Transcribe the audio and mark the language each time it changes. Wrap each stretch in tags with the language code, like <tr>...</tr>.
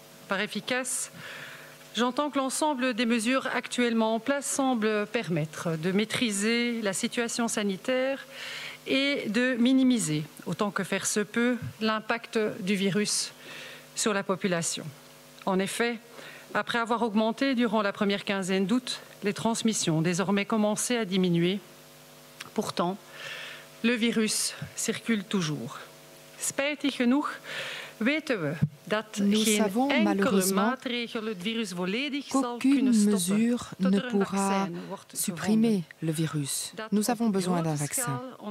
<fr>Par efficaces, j'entends que l'ensemble des mesures actuellement en place semblent permettre de maîtriser la situation sanitaire et de minimiser, autant que faire se peut, l'impact du virus sur la population. En effet, après avoir augmenté durant la première quinzaine d'août, les transmissions ont désormais commencé à diminuer. Pourtant, le virus circule toujours.</fr> <nl>Spijtig genoeg weten we dat geen enkele maatregel het virus volledig zal kunnen stoppen.</nl> <fr>Ne pourra supprimer le virus. Nous avons besoin d'un vaccin.</fr>